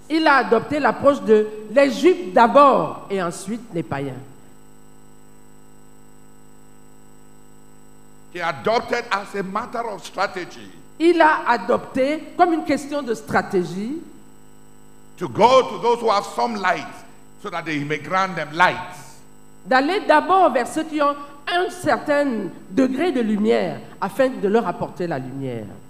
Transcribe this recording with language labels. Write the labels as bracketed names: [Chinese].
[French] Il a adopté l'approche de les Juifs d'abord et ensuite les païens. [English] He adopted as a matter of strategy. [French] Il a adopté comme une question de stratégie. [English] To go to those who have some light, so that he may grant them light. [French] D'aller d'abord vers ceux qui ont un certain degré de lumière afin de leur apporter la lumière.